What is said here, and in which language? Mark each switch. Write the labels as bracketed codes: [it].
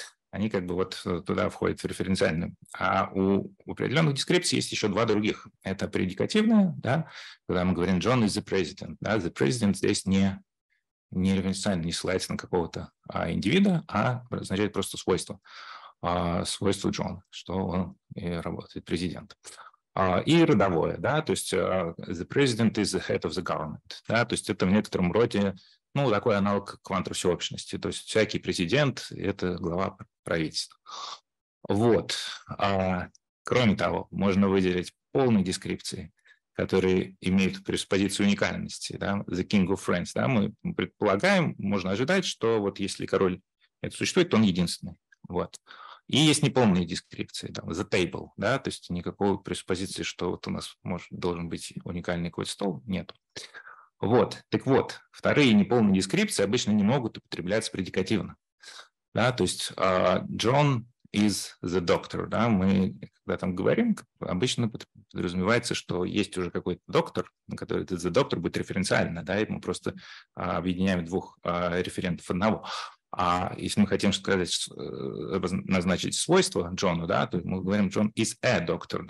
[ru] Они как бы вот туда входят в референциальную. А у определенных дискрипций есть еще два других. Это предикативная, да, когда мы говорим [en] «John is the president». [ru] Да, [en] «the president» [ru] здесь не референциально, не ссылается на какого-то индивида, а означает просто свойство. Свойство Джона, что он и работает президент. И родовое, да, то есть [en] «the president is the head of the government». [ru] Да, то есть это в некотором роде, ну, такой аналог квантовой всеобщности. То есть всякий президент – это глава правительства. Вот. Кроме того, можно выделить полные дескрипции, которые имеют пресуппозицию уникальности. Да? [en] The king of France. [ru] Да? Мы предполагаем, можно ожидать, что вот если король это существует, то он единственный. Вот. И есть неполные дескрипции. Да? [en] The table. [ru] Да? То есть никакой пресуппозиции, что вот у нас должен быть уникальный какой-то стол, нет. Вот. Так вот, вторые неполные дескрипции обычно не могут употребляться предикативно. Да, то есть [en] John is the doctor. [ru] Да, мы когда там говорим, обычно подразумевается, что есть уже какой-то доктор, на который этот [en] the doctor [ru] будет референциально, да, и мы просто объединяем двух референтов одного. А если мы хотим сказать, назначить свойство Джону, да, то мы говорим [en] John is a doctor.